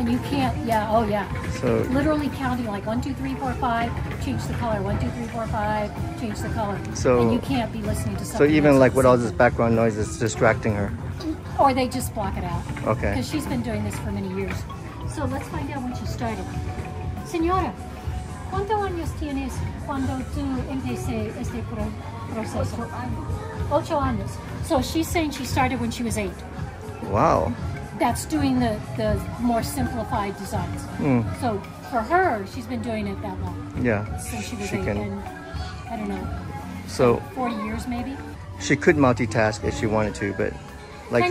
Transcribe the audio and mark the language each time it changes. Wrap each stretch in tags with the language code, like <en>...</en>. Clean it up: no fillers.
<en>And you can't, yeah, oh yeah. So literally counting like 1, 2, 3, 4, 5, change the color. 1, 2, 3, 4, 5, change the color. So, and you can't be listening to something. So even like with all this background noise, it's distracting her. Or they just block it out. Okay. Because she's been doing this for many years. So let's find out when she started.</en> <es>Señora, ¿cuántos años tienes cuando tú empecé este proceso? 8 años.</es> <en>So she's saying she started when she was 8. Wow. That's doing the more simplified designs. Mm. So for her, she's been doing it that long. Yeah. Since she was 8. And I don't know. So 40 years maybe. She could multitask if she wanted to, but like</en>